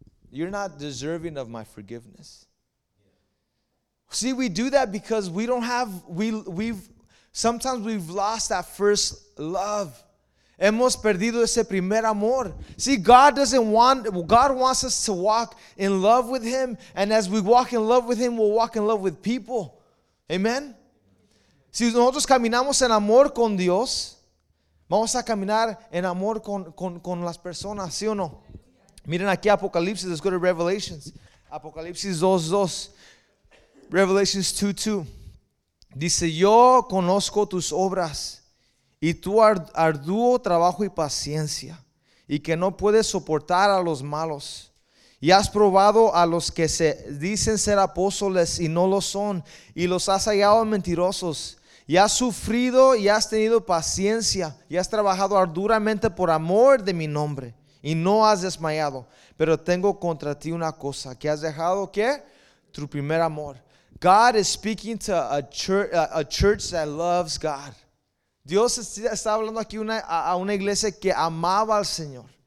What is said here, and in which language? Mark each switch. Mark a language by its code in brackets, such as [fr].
[en] You're not deserving of my forgiveness. See, we do that because we don't have, we've lost that first love. [es] Hemos perdido ese primer amor. [en] See, God wants us to walk in love with Him. And as we walk in love with Him, we'll walk in love with people. Amen? [es] Si nosotros caminamos en amor con Dios, vamos a caminar en amor con las personas, ¿sí o no? Miren aquí Apocalipsis, [en] let's go to Revelations. [es] Apocalipsis 2:2. Revelations 2:2. Dice, yo conozco tus obras y tu arduo trabajo y paciencia, y que no puedes soportar a los malos. Y has probado a los que se dicen ser apóstoles y no lo son, y los has hallado mentirosos. Y has sufrido y has tenido paciencia, y has trabajado arduamente por amor de mi nombre, y no has desmayado. Pero tengo contra ti una cosa, que has dejado, ¿qué? Tu primer amor. [en] God is speaking to a church that loves God. [es] Dios está hablando aquí a una iglesia que amaba al Señor.